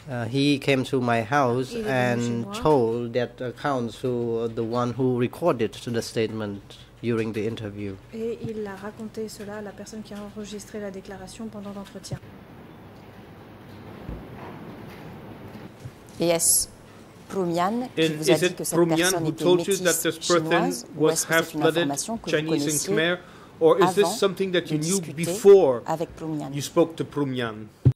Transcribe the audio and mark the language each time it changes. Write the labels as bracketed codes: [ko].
[en] He came to my house and told that account to the one who recorded the statement during the interview. [fr] Et il a raconté cela à la personne qui a enregistré la déclaration pendant l'entretien. [en] Yes. [fr] Plumian qui vous a dit que cette personne était métisse chinoise, ou est-ce que c'est une information que vous connaissiez? [en] Or is this something that you knew before you spoke to Plumian?